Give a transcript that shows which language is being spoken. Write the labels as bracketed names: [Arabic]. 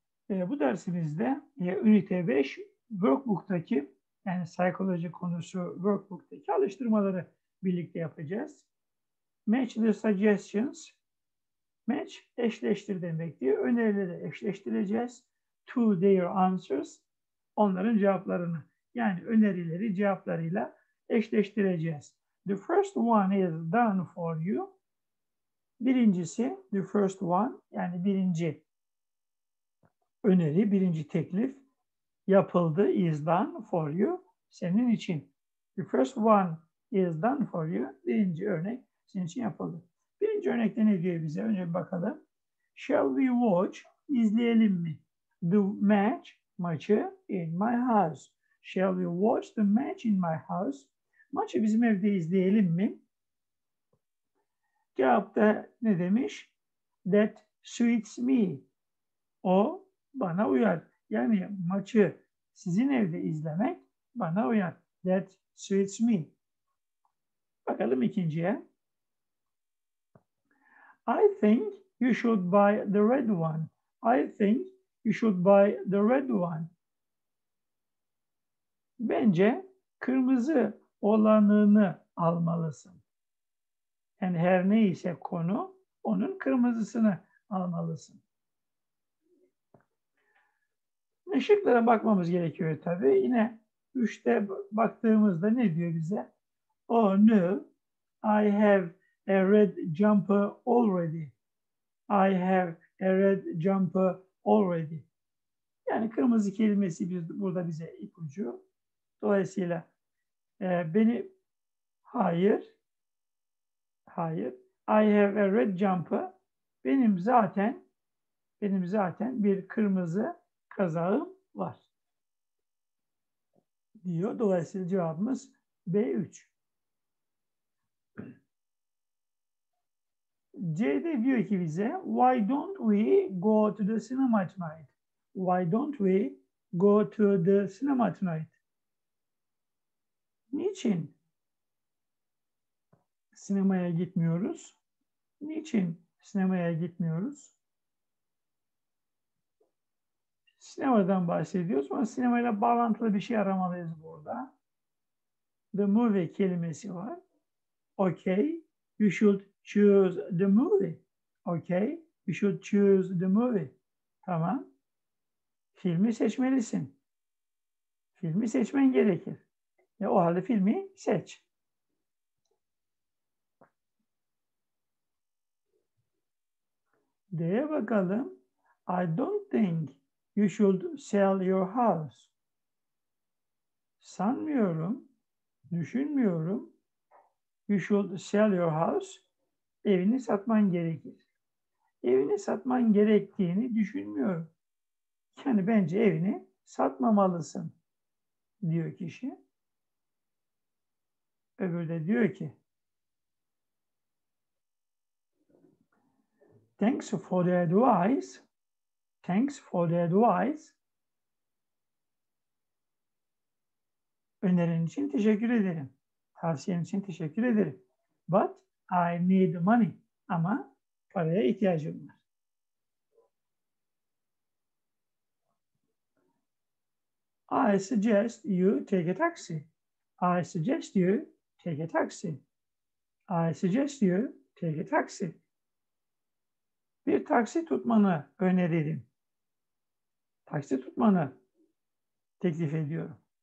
[Turkish] Bu dersimizde ünite 5 workbook'taki yani psikoloji konusu workbook'taki alıştırmaları birlikte yapacağız. [English] Match the suggestions. [Turkish] Match eşleştir demek diye önerileri eşleştireceğiz. [English] To their answers. [Turkish] Onların cevaplarını yani önerileri cevaplarıyla eşleştireceğiz. [English] The first one is done for you. [Turkish] Birincisi [English] the first one [Turkish] yani birinci öneri, birinci teklif yapıldı, [English] is done for you, [Turkish] senin için. [English] The first one is done for you, [Turkish] birinci örnek senin için yapıldı. Birinci örnekte ne diyor bize? Önce bir bakalım. [English] Shall we watch, [Turkish] izleyelim mi? [English] The match, maçı in my house. Shall we watch the match in my house? [Turkish] Maçı bizim evde izleyelim mi? Cevapta ne demiş? [English] That suits me. [Turkish] O bana uyar. Yani maçı sizin evde izlemek bana uyar. [English] That suits me. [Turkish] Bakalım ikinciye. [English] I think you should buy the red one. I think you should buy the red one. [Turkish] Bence kırmızı olanını almalısın. Yani her neyse konu onun kırmızısını almalısın. Işıklara bakmamız gerekiyor tabii. Yine 3'te baktığımızda ne diyor bize? [English] Oh no, I have a red jumper already. I have a red jumper already. [Turkish] Yani kırmızı kelimesi burada bize ipucu. Dolayısıyla beni hayır. [English] I have a red jumper. [Turkish] Benim zaten bir kırmızı kazağım var diyor. Dolayısıyla cevabımız B3. C'de diyor ki bize [English] Why don't we go to the cinema tonight? Why don't we go to the cinema tonight? [Turkish] Niçin sinemaya gitmiyoruz? Niçin sinemaya gitmiyoruz? Sinemadan bahsediyoruz ama sinemayla bağlantılı bir şey aramalıyız burada. The movie kelimesi var. [English] Okay, you should choose the movie. Okay, you should choose the movie. [Turkish] Tamam. Filmi seçmelisin. Filmi seçmen gerekir. Ya o halde filmi seç. D'ye bakalım. [English] I don't think you should sell your house. [Turkish] Sanmıyorum, düşünmüyorum. [English] You should sell your house. [Turkish] Evini satman gerekir. Evini satman gerektiğini düşünmüyorum. Yani bence evini satmamalısın diyor kişi. Öbürü de diyor ki, [English] Thanks for the advice. Thanks for the advice. [Turkish] Önerin için teşekkür ederim. Tavsiyen için teşekkür ederim. [English] But I need money. [Turkish] Ama paraya ihtiyacım var. [English] Suggest you take a taxi. I suggest you take a taxi. I suggest you take a taxi. [Turkish] Bir taksi tutmanı öneririm. Taksi tutmanı teklif ediyorum.